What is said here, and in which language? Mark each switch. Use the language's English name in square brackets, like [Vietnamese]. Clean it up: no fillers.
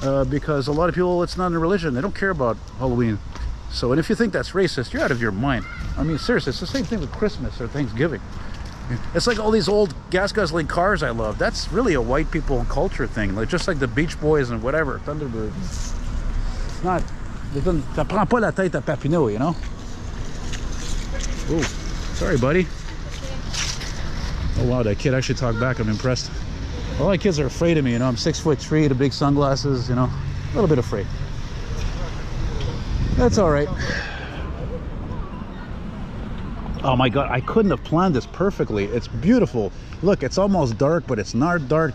[English] Because a lot of people, it's not a religion, they don't care about Halloween. So, and if you think that's racist, you're out of your mind. I mean, seriously, it's the same thing with Christmas or Thanksgiving. It's like all these old gas-guzzling cars I love. That's really a white people culture thing. Like, just like the Beach Boys and whatever, Thunderbird. It's not... [French] Ça prend pas la tête à Papineau, [English] you know? Ooh, sorry, buddy. Oh, wow, that kid actually talked back. I'm impressed. All my kids are afraid of me, you know? I'm 6'3", the big sunglasses, you know? A little bit afraid. That's all right. Oh my God, I couldn't have planned this perfectly. It's beautiful. Look, it's almost dark, but it's not dark.